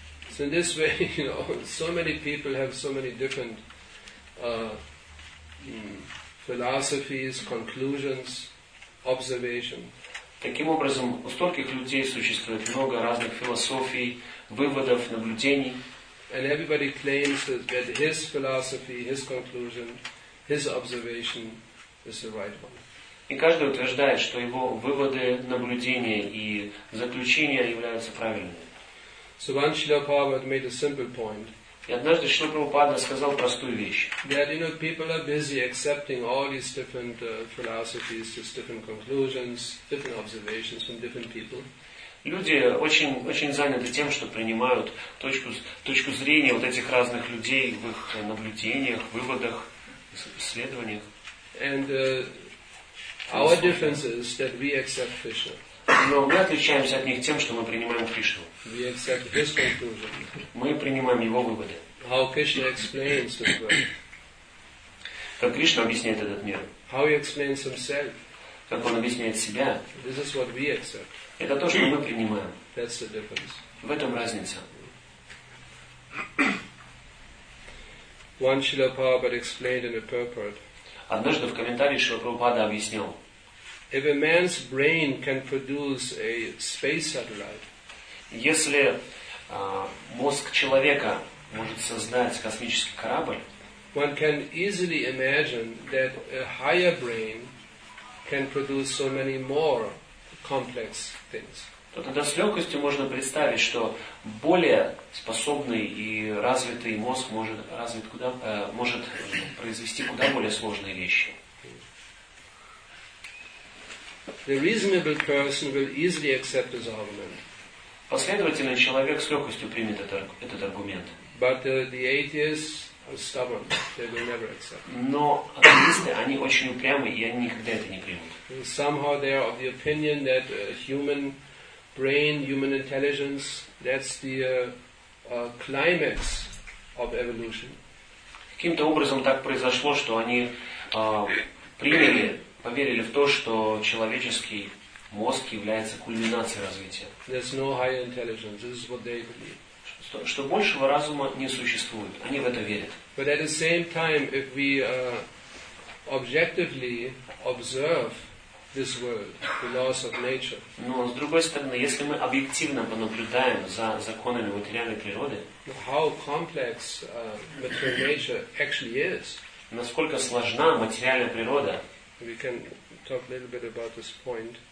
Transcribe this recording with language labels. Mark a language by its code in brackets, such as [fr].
[en] So in this way, you know, so many people have so many different philosophies, conclusions, observations. [ru] Таким образом, у стольких людей существует много разных философий, выводов, наблюдений. [en] And everybody claims that his philosophy, his conclusion, his observation is the right one. [ru] И каждый утверждает, что его выводы, наблюдения и заключения являются правильными. [en] So once Srila Prabhupada made a simple point. [ru] И однажды Шрила Прабхупада сказал простую вещь. [en] That, you know, people are busy accepting all these different philosophies, these different conclusions, different observations from different people. [ru] Люди очень, очень заняты тем, что принимают точку зрения вот этих разных людей в их наблюдениях, выводах, исследованиях. [en] And our difference is that we accept Krishna. [ru] Но мы отличаемся от них тем, что мы принимаем Кришну. [en] We accept his conclusion. [ru] Мы принимаем его выводы. [en] How Krishna explains this world. [ru] Как Кришна объясняет этот мир. [en] How he explains himself. [ru] Как он объясняет себя. [en] This is what we accept. [ru] Это то, что мы принимаем. [en] That's the difference. [ru] В этом разница. [en] One Srila Prabhupada explained in a purport. [ru] Однажды в комментарии Шрила Прабхупада объяснил. [en] If a man's brain can produce a space satellite, [ru] если мозг человека может создать космический корабль, [en] one can easily imagine that a higher brain can produce so many more complex things. [ru] То тогда с легкостью можно представить, что более способный и развитый мозг может произвести куда более сложные вещи. [en] The reasonable person will easily accept this argument. [ru] Последовательный человек с легкостью примет этот аргумент. [en] But the atheists are stubborn. They will never accept. [ru] Но атеисты, они очень упрямы, и они никогда это не примут. [en] Somehow they are of the opinion that human brain, human intelligence, that's the climax of evolution. [ru] Каким-то образом так произошло, что они приняли. Поверили в то, что человеческий мозг является кульминацией развития. [en] There's no higher intelligence. This is what they believe. [ru] Что большего разума не существует. Они в это верят. [en] But at the same time, if we objectively observe this world, the laws of nature. [ru] Но с другой стороны, если мы объективно понаблюдаем за законами материальной природы, [en] how complex material nature actually is. [ru] Насколько сложна материальная природа. [en] We can talk a little bit about this point.